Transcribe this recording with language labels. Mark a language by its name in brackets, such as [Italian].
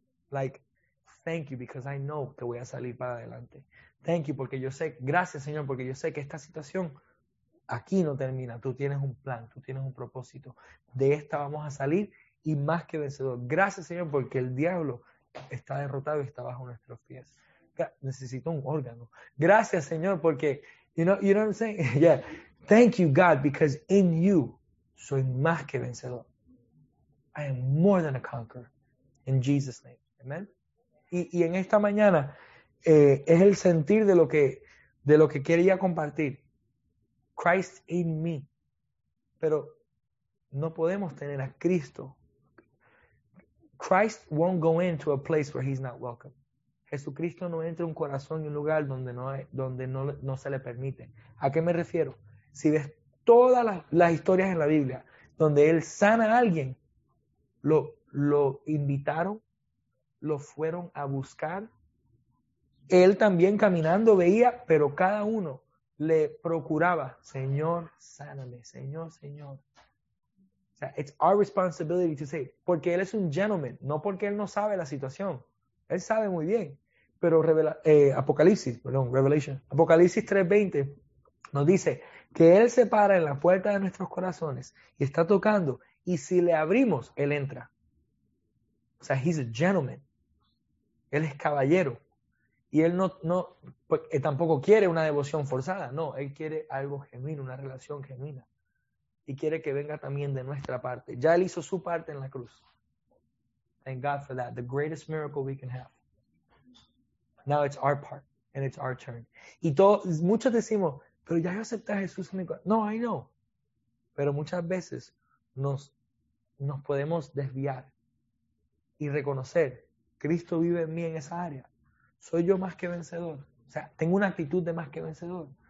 [English] Like, thank you because I know [Spanish] que voy a salir para adelante. [English] Thank you [Spanish] porque yo sé, gracias Señor, porque yo sé que esta situación aquí no termina. Tú tienes un plan, tú tienes un propósito. De esta vamos a salir y más que vencedor. Gracias Señor porque el diablo está derrotado y está bajo nuestros pies. Necesito un órgano. Gracias Señor porque, [English] you know what I'm saying? Yeah. Thank you God because in you [Spanish] soy más que vencedor. [English] I am more than a conqueror. In Jesus' name. Amen. [Spanish] Y en esta mañana es el sentir de lo que quería compartir. [English] Christ in me. [Spanish] Pero no podemos tener a Cristo. [English] Christ won't go into a place where he's not welcome. [Spanish] Jesucristo no entra en un corazón y un lugar donde, no, hay, donde no, no se le permite. ¿A qué me refiero? Si ves todas las historias en la Biblia donde él sana a alguien, lo invitaron, lo fueron a buscar. Él también caminando veía, pero cada uno le procuraba, Señor, sáname, Señor, Señor. O sea, [English] it's our responsibility to say, [Spanish] porque él es un gentleman, no porque él no sabe la situación. Él sabe muy bien, pero Apocalipsis 3:20 nos dice que él se para en la puerta de nuestros corazones y está tocando, y si le abrimos, él entra. O sea, [English] he's a gentleman. [Spanish] Él es caballero. Y él no tampoco quiere una devoción forzada. No, él quiere algo genuino, una relación genuina. Y quiere que venga también de nuestra parte. Ya él hizo su parte en la cruz. [English] Thank God for that. The greatest miracle we can have. Now it's our part. And it's our turn. [Spanish] Y todos, muchos decimos, pero ya yo acepté a Jesús en mi corazón. No, [English] I know. [Spanish] Pero muchas veces nos podemos desviar y reconocer, Cristo vive en mí en esa área. Soy yo más que vencedor. O sea, tengo una actitud de más que vencedor.